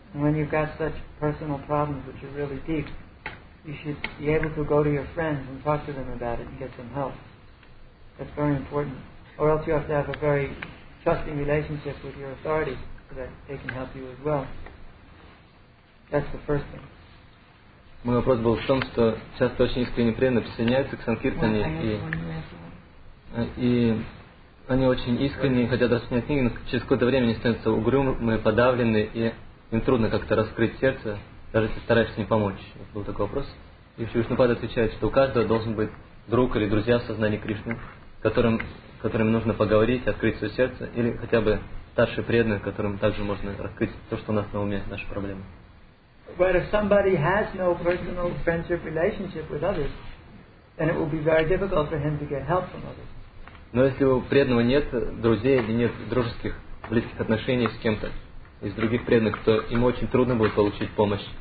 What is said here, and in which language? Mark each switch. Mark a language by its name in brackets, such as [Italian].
[English] And when you've got such personal problems which are really deep, you should be able to go to your friends and talk to them about it and get some help. That's very important. Or else you have to have a very trusting relationship with your authority so that they can help you as well. That's the first thing. [Russian] Мой вопрос был в том, что часто очень искренне преданные присоединяются к санкиртане, и они очень искренне хотят распространять книги, но через какое-то время они становятся угрюмые, подавленные, и им трудно как-то раскрыть сердце, даже если стараешься не помочь. Это был такой вопрос. И Шри Вишнупада отвечает, что у каждого должен быть друг или друзья в сознании Кришны, которым нужно поговорить, открыть свое сердце, или хотя бы старшие преданные, которым также можно раскрыть то, что у нас на уме, наши проблемы. [English] But if somebody has no personal friendship relationship with others, then it will be very difficult for him to get help from others. [Russian] Но если у преданного нет друзей или нет дружеских близких отношений с кем-то из других преданных, то ему очень трудно будет получить помощь.